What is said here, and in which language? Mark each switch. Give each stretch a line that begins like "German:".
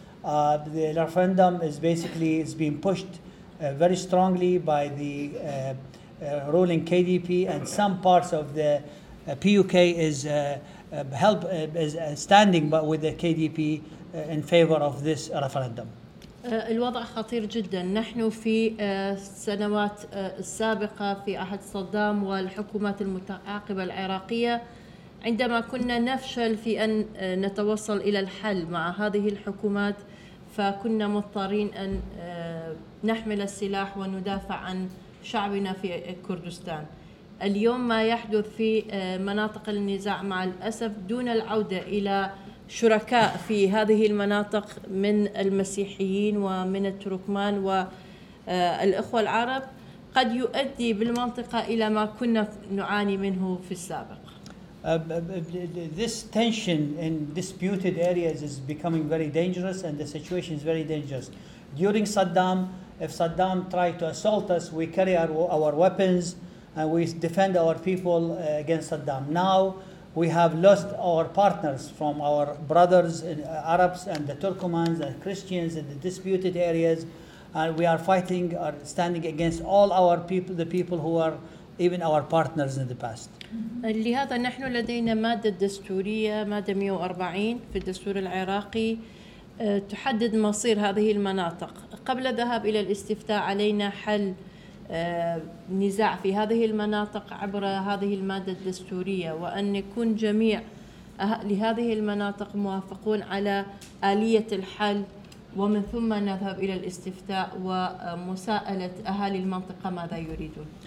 English: The referendum is basically, it's being pushed very strongly by the ruling KDP, and some parts of the PUK is is standing but with the KDP in favor of this referendum.
Arabic: الوضع خطير جدا. نحن في السنوات السابقة في عهد صدام والحكومات المتعاقبة العراقية عندما كنا نفشل في أن نتوصل إلى الحل مع هذه الحكومات فكنا مضطرين أن نحمل السلاح وندافع عن شعبنا في كردستان. اليوم ما يحدث في مناطق النزاع مع الأسف دون العودة إلى شركاء في هذه المناطق من المسيحيين ومن التركمان والإخوة العرب قد يؤدي بالمنطقة إلى ما كنا نعاني منه في السابق.
English: This tension in disputed areas is becoming very dangerous and the situation is very dangerous. During Saddam, if Saddam tried to assault us, we carry our weapons and we defend our people against Saddam. Now we have lost our partners from our brothers in Arabs and the Turkomans and Christians in the disputed areas. And we are fighting or standing against all our people, the people who are even our partners in the past.
Arabic: لهذا نحن لدينا مادة دستورية مادة 140 في الدستور العراقي تحدد مصير هذه المناطق. قبل الذهاب إلى الاستفتاء علينا حل نزاع في هذه المناطق عبر هذه المادة الدستورية وأن يكون جميع أهل هذه المناطق موافقون على آلية الحل ومن ثم نذهب إلى الاستفتاء ومساءلة أهالي المنطقة ماذا يريدون.